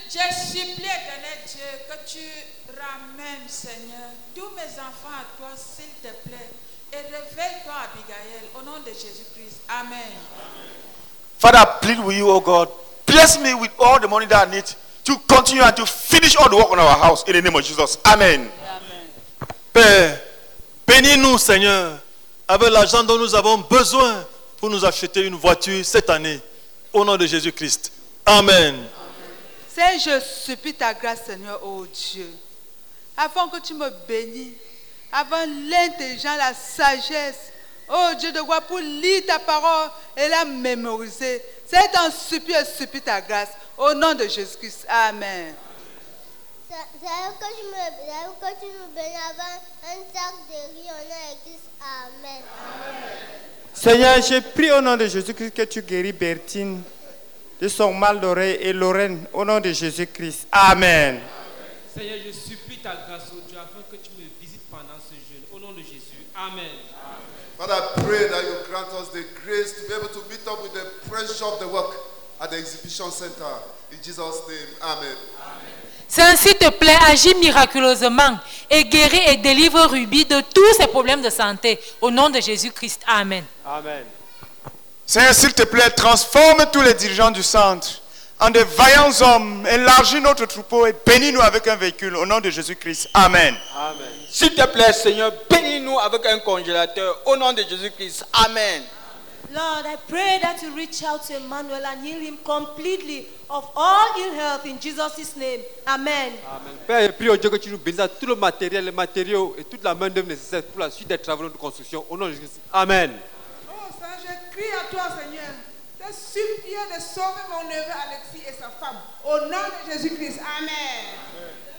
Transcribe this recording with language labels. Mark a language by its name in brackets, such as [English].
[French] Seigneur, je supplie, éternel Dieu, que tu ramènes, Seigneur, tous mes enfants à toi, s'il te plaît, et réveille-toi, Abigail, au nom de Jésus-Christ. Amen. Amen. [English] Father, I plead with you, O God, bless me with all the money that I need to continue and to finish all the work on our house, in the name of Jesus. Amen. Amen. [French] Père, bénis-nous, Seigneur, avec l'argent dont nous avons besoin pour nous acheter une voiture cette année. Au nom de Jésus-Christ. Amen. Seigneur, je supplie ta grâce, Seigneur, oh Dieu, afin que tu me bénis, avant l'intelligence, la sagesse, oh Dieu de gloire, pour lire ta parole et la mémoriser. Seigneur, t'en supplie, je supplie ta grâce. Au nom de Jésus-Christ. Amen. Seigneur, que tu me bénis avant un sac de riz, au nom de Jésus. Amen. Amen. Seigneur, je prie au nom de Jésus-Christ que tu guéris Bertine de son mal d'oreille et Lorraine au nom de Jésus-Christ. Amen. Seigneur, je supplie ta grâce, oh Dieu, afin que tu me visites pendant ce jeûne au nom de Jésus. Amen. [English] Father, I pray that you grant us the grace to be able to meet up with the pressure of the work at the exhibition center. In Jesus' name, amen. Amen. [French] Seigneur, s'il te plaît, agis miraculeusement et guéris et délivre Ruby de tous ses problèmes de santé. Au nom de Jésus-Christ. Amen. Amen. Seigneur, s'il te plaît, transforme tous les dirigeants du centre en de vaillants hommes. Élargis notre troupeau et bénis-nous avec un véhicule. Au nom de Jésus-Christ. Amen. Amen. S'il te plaît, Seigneur, bénis-nous avec un congélateur. Au nom de Jésus-Christ. Amen. [English] Lord, I pray that you reach out to Emmanuel and heal him completely of all ill health in Jesus' name. Amen. [French] Père, je prie au Dieu que tu nous bénisses tout le matériel, les matériaux et toute la main-d'œuvre nécessaire pour la suite des travaux de construction. Au nom de Jésus. Amen. Oh, Seigneur, je crie à toi, Seigneur, de supplier de sauver mon neveu Alexis et sa femme. Au nom de Jésus-Christ. Amen.